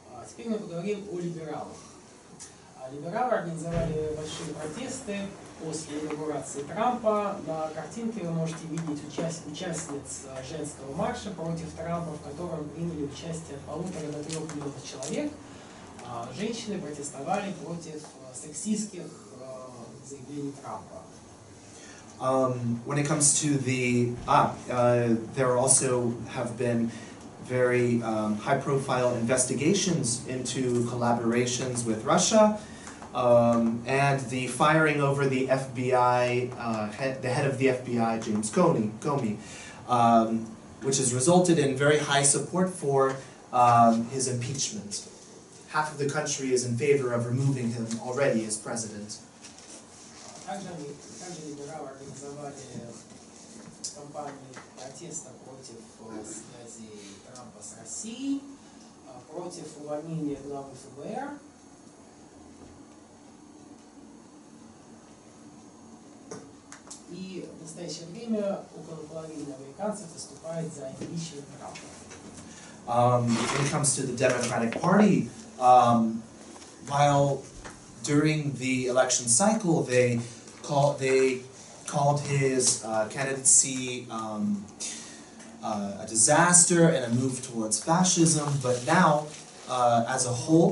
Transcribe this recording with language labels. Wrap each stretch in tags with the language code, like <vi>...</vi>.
<ru>Теперь мы поговорим о либералах. Либералы организовали большие протесты после инаугурации Трампа. На картинке вы можете видеть участниц женского марша против Трампа, в котором приняли участие 1,5 до 3 миллионов человек. Женщины протестовали против сексистских заявлений Трампа.</ru> <en>When it comes to the there also have been very high-profile investigations into collaborations with Russia, and the firing over the FBI head of the FBI, James Comey, which has resulted in very high support for his impeachment. Half of the country is in favor of removing him already as president.</en> <ru>Также либералы организовали кампанию протеста против связи Трампа с Россией, против увольнения главы ФБР. И в настоящее время около половины американцев выступает за импичмент Трампа.</ru> <en>When it comes to the Democratic Party, while during the election cycle they called his candidacy a disaster and a move towards fascism, but now, as a whole,</en>